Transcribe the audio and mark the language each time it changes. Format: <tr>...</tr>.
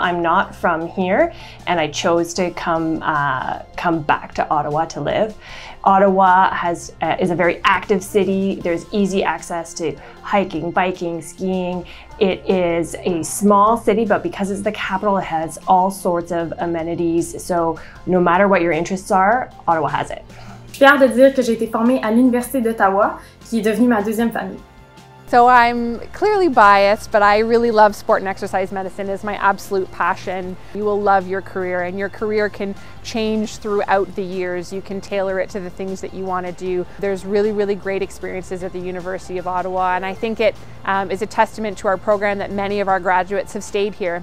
<en>I'm not from here, and I chose to come back to Ottawa to live. Ottawa is a very active city. There's easy access to hiking, biking, skiing. It is a small city, but because it's the capital, it has all sorts of amenities. So no matter what your interests are, Ottawa has it.</en> <fr>Fière de dire que j'ai été formée à l'Université d'Ottawa, qui est devenue ma deuxième famille.</fr> <en>So I'm clearly biased, but I really love sport and exercise medicine. It's my absolute passion. You will love your career, and your career can change throughout the years. You can tailor it to the things that you want to do. There's really, really great experiences at the University of Ottawa, and I think it is a testament to our program that many of our graduates have stayed here.</en>